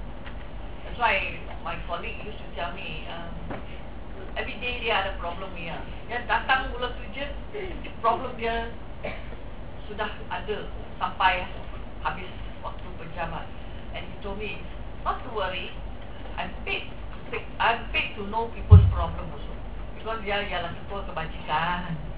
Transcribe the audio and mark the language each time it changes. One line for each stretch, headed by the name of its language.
English: used to tell me, every day they
Malay: ada
English: problem
Malay: dia. Yang datang bulan tujuh, problem dia sudah ada sampai habis waktu berjamaah.
English: And he told me, not to worry, I'm paid to know people's problem also. Because
Malay: dia ialah ketua kebajikan.